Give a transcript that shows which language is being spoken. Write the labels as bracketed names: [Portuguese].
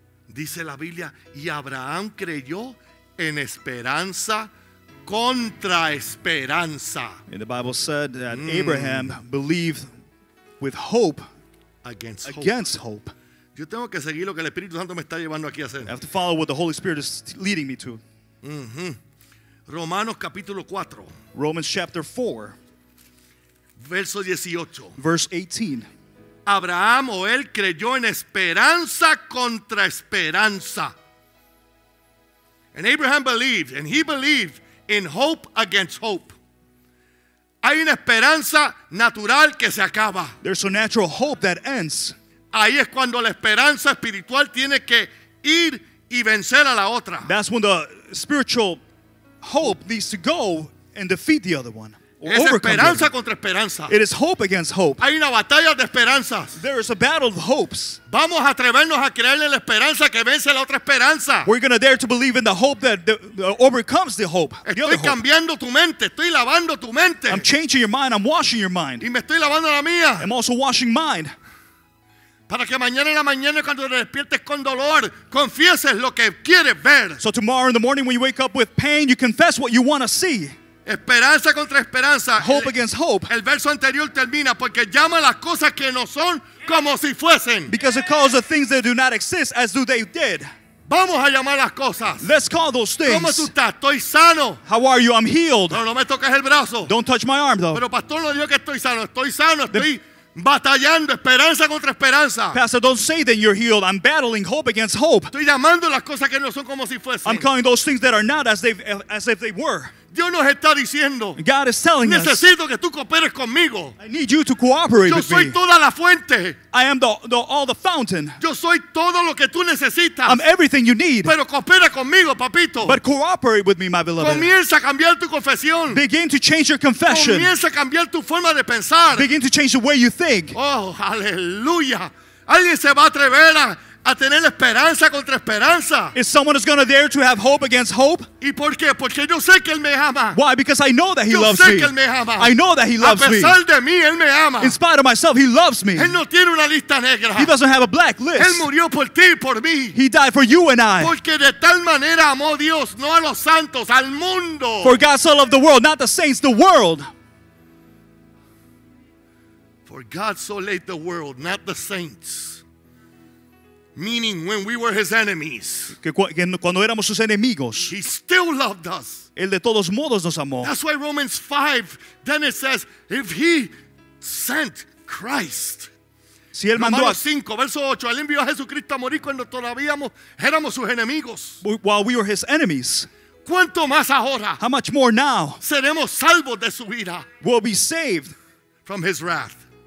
[Spanish] Dice la Biblia, y Abraham creyó en esperanza contra esperanza. [English] And the Bible said that Abraham believed with hope against hope. [Spanish] Yo tengo que seguir lo que el Espíritu Santo me está llevando aquí a hacer. [English] I have to follow what the Holy Spirit is leading me to. Mm-hmm. [Spanish] Romanos capítulo 4. [English] Romans chapter 4. [Spanish] Verso 18. [English] Verse 18. [Spanish] Abraham o él creyó en esperanza contra esperanza. [English] And Abraham believed, and he believed in hope against hope. [Spanish] Hay una esperanza natural que se acaba. [English] There's a natural hope that ends. [Spanish] Ahí es cuando la esperanza espiritual tiene que ir y vencer a la otra. [English] That's when the spiritual hope needs to go and defeat the other one. [Spanish] Es esperanza contra esperanza. [English] It is hope against hope. [Spanish] Hay una batalla de esperanzas. [English] There is a battle of hopes. [Spanish] Vamos a atrevernos a creerle la esperanza que vence la otra esperanza. [English] We're going to dare to believe in the hope that overcomes the hope. [Spanish] Estoy cambiando tu mente. Estoy lavando tu mente. [English] I'm changing your mind. I'm washing your mind. [Spanish] Y me estoy lavando la mía. [English] I'm also washing mine. [Spanish] Para que mañana en la mañana cuando te despiertes con dolor, confieses lo que quieres ver. [English] So tomorrow in the morning when you wake up with pain, you confess what you want to see. [Spanish] Esperanza contra esperanza. [English] Hope against hope. [Spanish] El verso anterior termina porque llama las cosas que no son como si fuesen. [English] Because it calls the things that do not exist as though they did. [Spanish] Vamos a llamar las cosas. [English] Let's call those things. [Spanish] ¿Cómo tú estás? Estoy sano. [English] How are you? I'm healed. [Spanish] Pero no me toques el brazo. [English] Don't touch my arm though. [Spanish] Pero pastor no dijo que estoy sano. Estoy sano. Estoy batallando esperanza contra esperanza. [English] Pastor, don't say that you're healed. I'm battling hope against hope. [Spanish] Estoy llamando las cosas que no son como si fuesen. [English] I'm calling those things that are not as if they were. [Spanish] Dios nos está diciendo, [English] God is telling [Spanish] necesito [English] us, [Spanish] que tú cooperes conmigo. [English] I need you to cooperate [Spanish] yo [English] with me. [Spanish] Yo soy toda la fuente. [English] I am all the fountain. [Spanish] Yo soy todo lo que tú necesitas. [English] I'm everything you need. [Spanish] Pero coopera conmigo, papito. [English] But cooperate with me, my beloved. [Spanish] Comienza a cambiar tu confesión. [English] Begin to change your confession. [Spanish] Comienza a cambiar tu forma de pensar. [English] Begin to change the way you think. [Spanish] Oh, aleluya. Alguien se va a atrever a a tener esperanza contra esperanza. [English] Is someone who's going to dare to have hope against hope? [Spanish] ¿Y por qué? Porque yo sé que él me ama. [English] Why? Because I know that he [Spanish] yo [English] loves [Spanish] sé [English] me. [Spanish] Que él me ama. [English] I know that he loves [Spanish] a pesar [English] me. [Spanish] De mí, él me ama. [English] In spite of myself, he loves me. [Spanish] Él no tiene una lista negra. [English] He doesn't have a black list. [Spanish] Él murió por ti, por mí. [English] He died for you and I. [Spanish] Porque de tal manera amó Dios, no a los santos, al mundo. [English] For God so loved the world, not the saints, the world. For God so loved the world, not the saints. Meaning, when we were his enemies, [Spanish] que cuando éramos sus enemigos, [English] he still loved us. [Spanish] Él de todos modos nos amó. [English] That's why Romans 5, then it says, if he sent Christ. [Spanish] Si él mandó Romanos 5, verso 8, él envió a Jesucristo a morir cuando todavía éramos sus enemigos. [English] While we were his enemies. [Spanish] ¿Cuánto más ahora? [English] How much more now? [Spanish] Seremos salvos de su ira. [English] We'll be saved from his wrath.